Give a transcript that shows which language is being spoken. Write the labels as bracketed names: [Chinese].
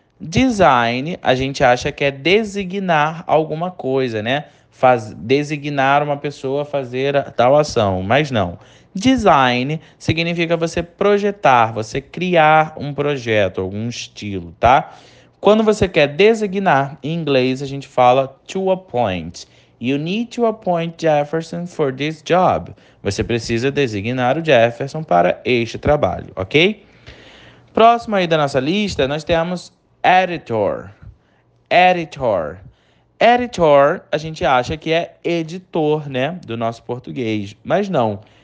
[Portuguese] Design, a gente acha que é designar alguma coisa, né? Designar uma pessoa a fazer tal ação, mas não. Design significa você projetar, você criar um projeto, algum estilo, tá? Quando você quer designar, em inglês a gente fala to appoint. [English] You need to appoint Jefferson for this job. [Portuguese] Você precisa designar o Jefferson para este trabalho, ok? Próximo aí da nossa lista, nós temos editor. Editor. Editor, a gente acha que é editor, né, do nosso português, mas não.